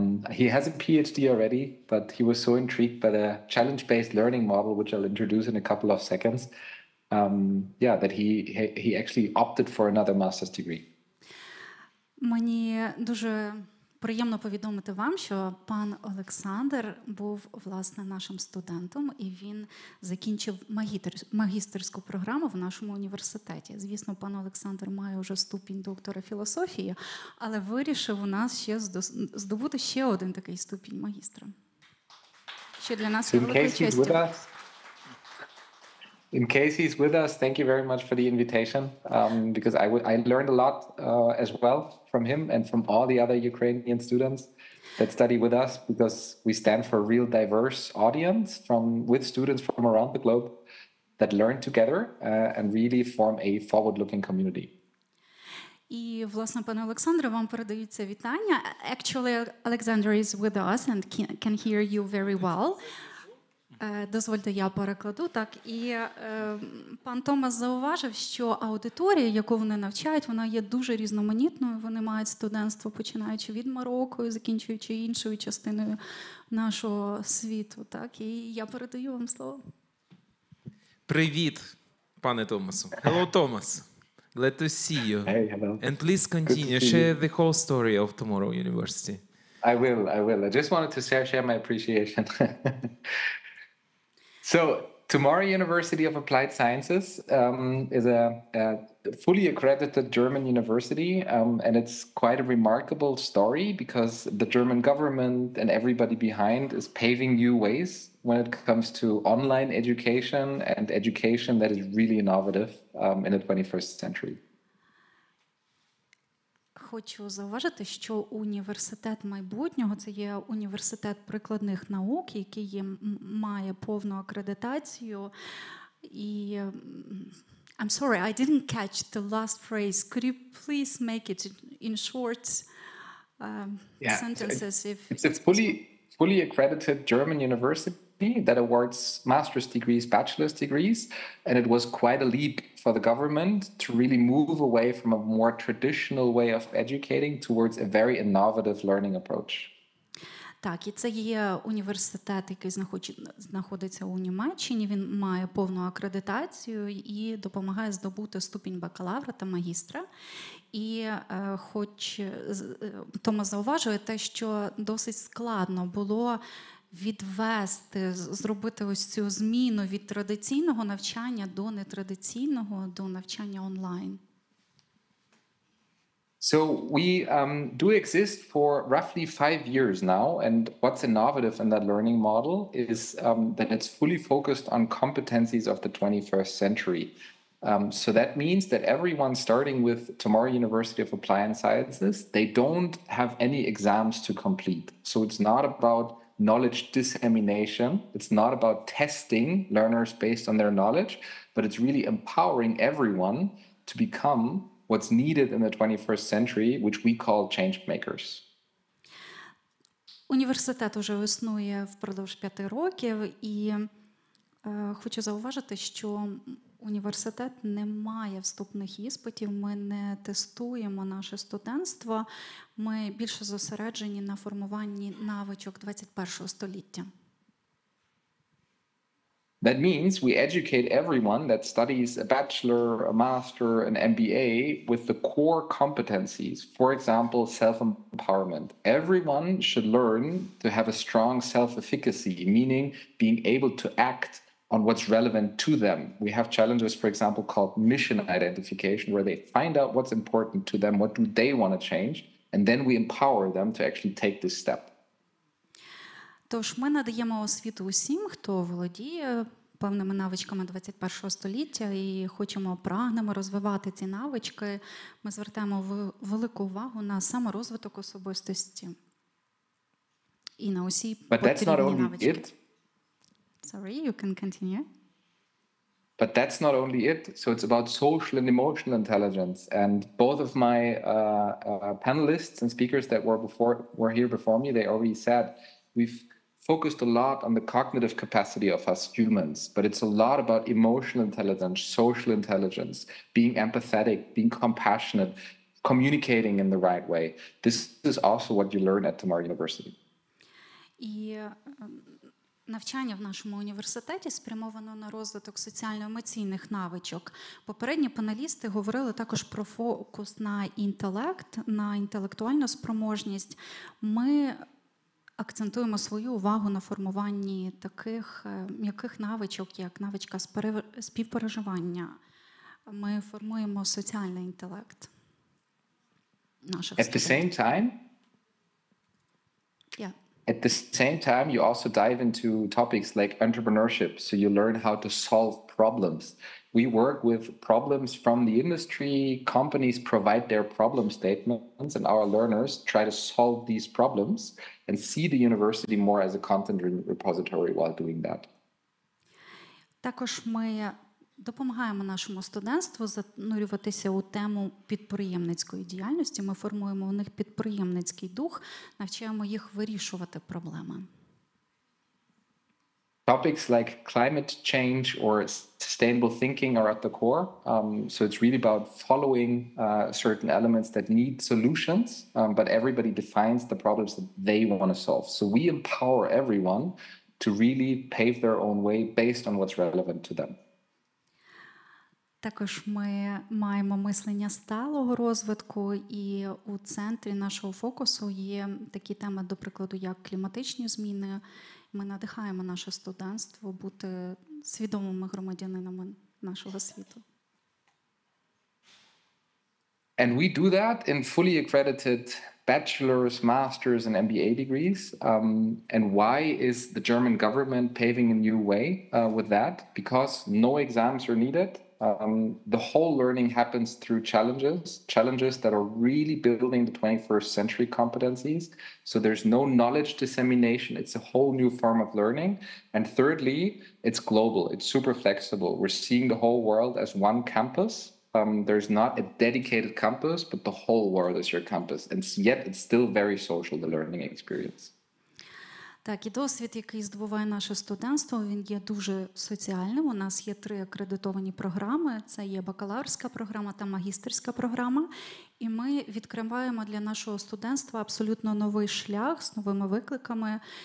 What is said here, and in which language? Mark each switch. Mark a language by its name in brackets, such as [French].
[English] He has a PhD already, but he was so intrigued by the challenge-based learning model, which I'll introduce in a couple of seconds, that he actually opted for another master's degree. [Ukrainian] Мені дуже приємно повідомити вам, що пан Олександр був, власне, нашим студентом, і він закінчив магістерську програму в нашому університеті. Звісно, пан Олександр має вже ступінь доктора філософії, але вирішив у нас ще здобути ще один такий ступінь магістра. Що для нас велика честь. [English] In case he's with us, thank you very much for the invitation, because I learned a lot as well from him and from all the other Ukrainian students that study with us, because we stand for a real diverse audience with students from around the globe that learn together and really form a forward-looking community. [Ukrainian] І, власне, пане Олександре, вам передаються вітання. [English] Actually, Alexander is with us and can hear you very well. [Ukrainian] Дозвольте, я перекладу. Так, і пан Томас зауважив, що аудиторія, яку вони навчають, вона є дуже різноманітною. Вони мають студентство, починаючи від Марокко, закінчуючи іншою частиною нашого світу. Так, і я передаю вам слово. Привіт, пане Томасу. [English] Hello, Thomas. Glad to see you. Hey, hello. And please continue. Share the whole story of Tomorrow University. I will. I just wanted to share my appreciation. So, Tomorrow University of Applied Sciences is a fully accredited German university, and it's quite a remarkable story because the German government and everybody behind is paving new ways when it comes to online education and education that is really innovative in the 21st century. [Ukrainian] Хочу зауважити, що університет майбутнього – це є університет прикладних наук, який має повну акредитацію. [English] І I'm sorry, I didn't catch the last phrase. Could you please make it in short sentences? So it's fully accredited German university that awards master's degrees, bachelor's degrees, and it was quite a leap for the government to really move away from a more traditional way of educating towards a very innovative learning approach. [Ukrainian] Так, і це є університет, який знаходиться у Німеччині, він має повну акредитацію і допомагає здобути ступінь бакалавра та магістра. І хоч Томас зауважує те, що досить складно було відвести, зробити ось цю зміну від традиційного навчання до нетрадиційного, до навчання онлайн. [English] So we do exist for roughly 5 years now, and what's innovative in that learning model is that it's fully focused on competencies of the 21st century. So that means that everyone starting with Tomorrow University of Applied Sciences, they don't have any exams to complete. So it's not about knowledge dissemination, it's not about testing learners based on their knowledge, but it's really empowering everyone to become what's needed in the 21st century, which we call change makers. [Ukrainian] Університет уже існує впродовж 5 років, і хочу зауважити, що університет не має вступних іспитів, ми не тестуємо наше студентство, ми більше зосереджені на формуванні навичок 21-го століття. [English] That means we educate everyone that studies a bachelor, a master, an MBA with the core competencies. For example, self-empowerment. Everyone should learn to have a strong self-efficacy, meaning being able to act on what's relevant to them. We have challenges, for example, called mission identification, where they find out what's important to them, what do they want to change, and then we empower them to actually take this step. [Ukrainian] Тож ми надаємо освіту усім, хто володіє певними навичками 21-го століття і хочемо, прагнемо розвивати ці навички, ми звертаємо велику увагу на саморозвиток особистості і на усі потрібні навички. [English] It. Sorry, you can continue. But that's not only it. So it's about social and emotional intelligence. And both of my panelists and speakers that were here before me, they already said we've focused a lot on the cognitive capacity of us humans, but it's a lot about emotional intelligence, social intelligence, being empathetic, being compassionate, communicating in the right way. This is also what you learn at Tomorrow University. [Ukrainian] І навчання в нашому університеті спрямовано на розвиток соціально-емоційних навичок. Попередні панелісти говорили також про фокус на інтелект, на інтелектуальну спроможність. Ми акцентуємо свою увагу на формуванні таких м'яких навичок, як навичка співпереживання. Ми формуємо соціальний інтелект наших студентів. [English] At the same time, you also dive into topics like entrepreneurship, so you learn how to solve problems. We work with problems from the industry, companies provide their problem statements, and our learners try to solve these problems and see the university more as a content repository while doing that. [Ukrainian] Також ми допомагаємо нашому студентству занурюватися у тему підприємницької діяльності. Ми формуємо у них підприємницький дух, навчаємо їх вирішувати проблеми. [English] Topics like climate change or sustainable thinking are at the core. So it's really about following certain elements that need solutions, but everybody defines the problems that they want to solve. So we empower everyone to really pave their own way based on what's relevant to them. [Ukrainian] Також ми маємо мислення сталого розвитку, і у центрі нашого фокусу є такі теми, до прикладу, як кліматичні зміни. Ми надихаємо наше студентство бути свідомими громадянинами нашого світу. [English] And we do that in fully accredited bachelor's, master's, and MBA degrees. And why is the German government paving a new way with that? Because no exams are needed. The whole learning happens through challenges that are really building the 21st century competencies. So there's no knowledge dissemination. It's a whole new form of learning. And thirdly, it's global. It's super flexible. We're seeing the whole world as one campus. There's not a dedicated campus, but the whole world is your campus. And yet it's still very social, the learning experience. [Ukrainian] Так, і досвід, який здобуває наше студентство, він є дуже соціальним. У нас є три акредитовані програми. Це є бакалаврська програма та магістерська програма. І ми відкриваємо для нашого студентства абсолютно новий шлях з новими викликами.